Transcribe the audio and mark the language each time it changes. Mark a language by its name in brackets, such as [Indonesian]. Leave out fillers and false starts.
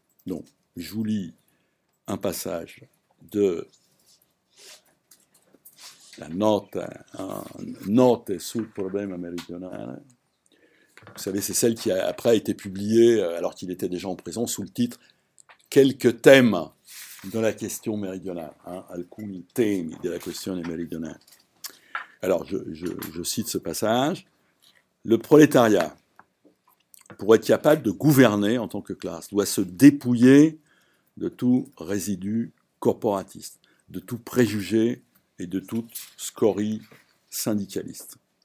[French] Donc, je vous lis un passage de la note [Italian] sul problema meridionale. [French] Vous savez, c'est celle qui a après été publiée, alors qu'il était déjà en prison, sous le titre « Quelques thèmes de la question méridionale ». [Italian] Alcuni temi della questione meridionale. [French] Alors, je cite ce passage. Le prolétariat, pour être capable de gouverner en tant que classe, doit se dépouiller de tout résidu corporatiste, de tout préjugé et de toute scorie syndicaliste.